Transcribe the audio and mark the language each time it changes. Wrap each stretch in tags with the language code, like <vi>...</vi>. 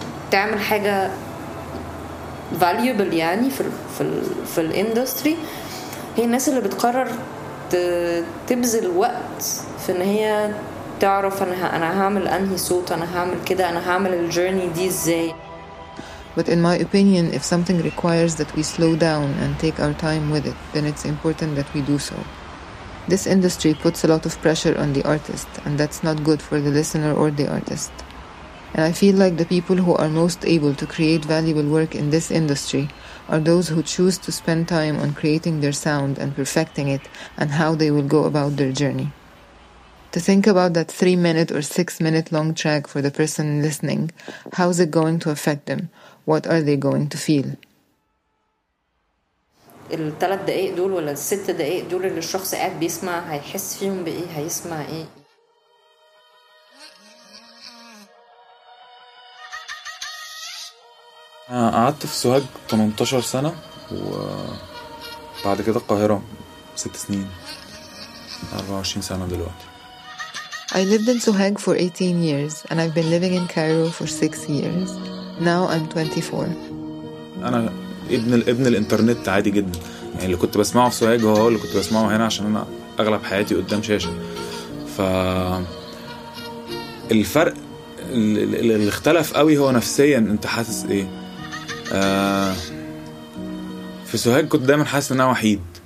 <ar>تعمل حاجة valuable يعني في الاندستري هي الناس اللي بتقرر تبذل وقت في ان هي تعرف انا هعمل انهي صوت, انا هعمل كده, انا هعمل الجيرني دي ازاي.</ar> <en>But in my opinion, if something requires that we slow down and take our time with it, then it's important that we do so. This industry puts a lot of pressure on the artist, and that's not good for the listener or the artist. And I feel like the people who are most able to create valuable work in this industry are those who choose to spend time on creating their sound and perfecting it and how they will go about their journey. To think about that 3-minute or 6-minute long track for the person listening, how's it going to affect them? What are they going to feel?</en> <ar>الثلاث دقائق دول ولا الست دقائق دول اللي الشخص قاعد بيسمع هيحس فيهم بإيه, هيسمع إيه؟ قعدت في سوهاج 18 سنة وبعد كده القاهرة 6 سنين 24 سنة دلوقتي.</ar> <en>I lived in Sohag for 18 years and I've been living in Cairo for 6 years. Now I'm 24.</en> <ar>أنا ابن الإنترنت عادي جدا. يعني اللي كنت بسمعه في سوهاج هو اللي كنت بسمعه هنا عشان أنا أغلب حياتي قدام شاشة. ف الفرق اللي اختلف قوي هو نفسيا أنت حاسس إيه؟ في سوهاج كنت دايما حاسس إن أنا وحيد.</ar>